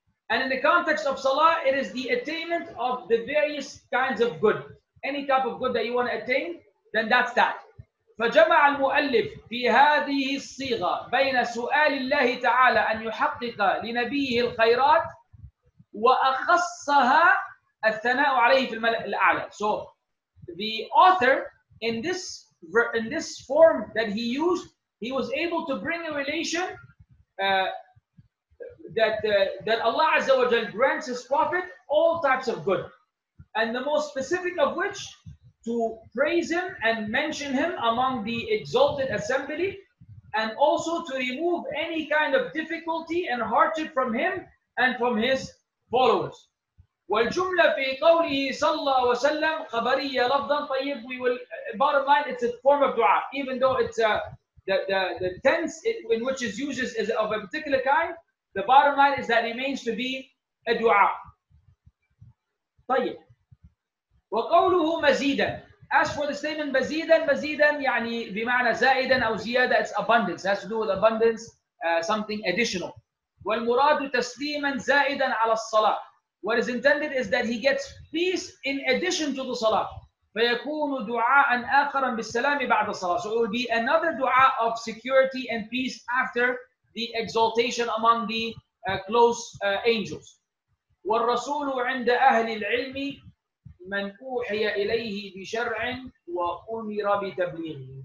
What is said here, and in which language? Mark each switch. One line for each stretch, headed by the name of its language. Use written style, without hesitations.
English: And in the context of salah, it is the attainment of the various kinds of good. Any type of good that you want to attain, then that's that.
Arabic: فجمع المؤلف في هذه الصيغة بين سؤال الله تعالى أن يحقق لنبيه الخيرات وأخصها الثناء عليه في الملأ الأعلى.
English: So the author in this form that he used, he was able to bring a relation that Allah Azza wa Jal grants his prophet all types of good, and the most specific of which to praise him and mention him among the exalted assembly, and also to remove any kind of difficulty and hardship from him and from his followers.
Arabic: والجملة في قوله صلى الله عليه وسلم خبرية لفظا طيب.
English: We will, bottom line, it's a form of dua, even though it's the tense in which it's used is of a particular kind. The bottom line is that it remains to be a dua.
Arabic: طيب. وقوله مزيدا.
English: As for the statement مزيدا,
Arabic: مزيدا يعني بمعنى زائدا أو زيادة.
English: It's abundance. It has to do with abundance, something additional.
Arabic: والمراد تسليما زائدا على الصلاة.
English: What is intended is that he gets peace in addition to the salah.
Arabic: فَيَكُونُ دُعَاءً آخَرًا بِالسَّلَامِ بَعْدَ الصَّلَاةِ.
English: So it will be another dua of security and peace after the exaltation among the close angels.
Arabic: وَالرَّسُولُ عِنْدَ أَهْلِ الْعِلْمِ مَنْ أُوحِيَ إِلَيْهِ بِشَرْعٍ وَأُمِرَ بِتَبْلِيغِ.